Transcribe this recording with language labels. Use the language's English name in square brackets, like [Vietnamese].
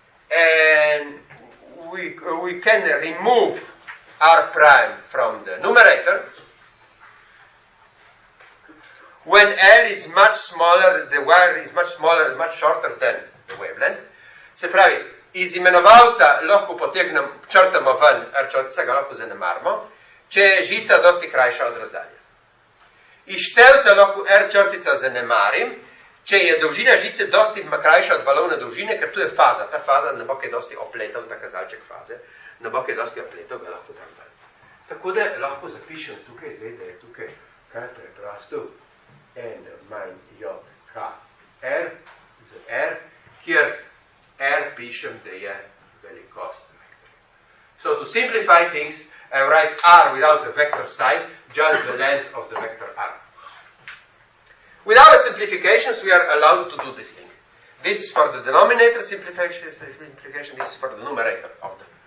[English] And we can remove r prime from the numerator when l is much smaller, the wire is much smaller, much shorter than the wavelength. [Slovenian] Se pravi, iz imenovalca lahko potegnem črtamo ven r črtica, ga lahko zanemarimo, če je žica dosti krajša od razdalje. Iz števca lahko r črtica zanemarim, če je dolžina žice dosti krajša od valovne dolžine, ker tu je faza. Ta faza ne bo kaj dosti opletal, ta kazalček faze, ne bo kaj dosti opletal, ga lahko tam ven. Tako da lahko zapišem tukaj, zdaj, da je tukaj kar preprosto, n manj j k r z r, kjer r pišem, da je velikost vektorja. [English] So to simplify things, I write r without the vector sign, just the length of the vector r. With our simplifications, we are allowed to do this thing. This is for the denominator simplification, this is for the numerator of the function.